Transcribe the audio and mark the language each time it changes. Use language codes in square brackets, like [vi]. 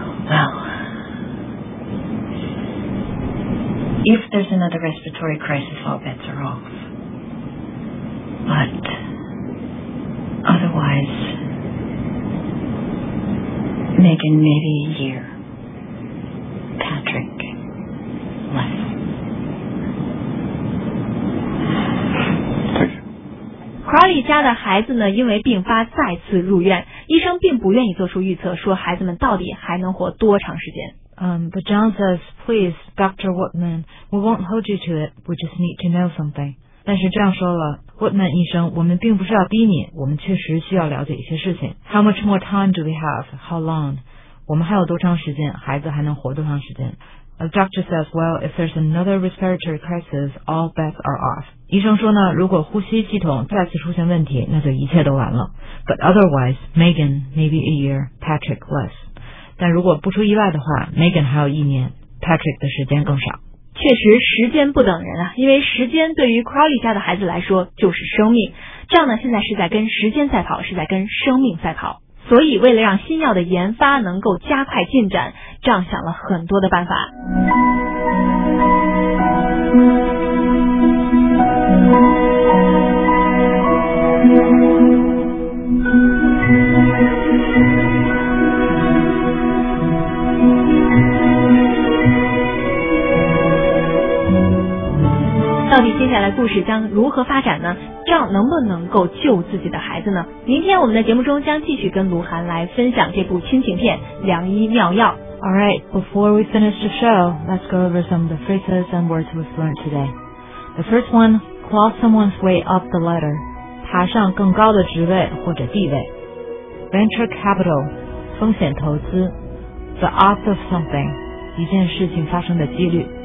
[en] Well, if there's another respiratory crisis, all bets are off. But otherwise, Megan, maybe a year. Patrick, less. [zh] Crowley 家的孩子呢，因为病发再次入院，医生并不愿意做出预测，说孩子们到底还能活多长时间。 [en] But John says, please, Dr. Whitman, we won't hold you to it. We just need to know something. [zh] 但是这样说了 ，Whitman 医生，我们并不是要逼你，我们确实需要了解一些事情。 [en] How much more time do we have? How long? [zh] 我们还有多长时间？孩子还能活多长时间？ [en] A doctor says, well, if there's another respiratory crisis, all bets are off. [zh] 医生说呢，如果呼吸系统再次出现问题，那就一切都完了。 [en] But otherwise, Megan, maybe a year, Patrick less. [zh] 但如果不出意外的话 ,Megan 还有一年， Patrick 的时间更少。确实时间不等人啊，因为时间对于 Crowley 家的孩子来说就是生命。这样呢，现在是在跟时间赛跑，是在跟生命赛跑。所以为了让新药的研发能够加快进展，仗想了很多的办法。到底接下来故事将如何发展呢？赵能不能够救自己的孩子呢？明天我们的节目中将继续跟卢涵来分享这部亲情片《良医妙药》。 [en] All right, before we finish the show, let's go over some of the phrases and words we've learned today. The first one, claw someone's way up the ladder, [zh] 爬上更高的职位或者地位。 [en] Venture capital, [zh] 风险投资。 [en] The odds of something, [zh] 一件事情发生的几率。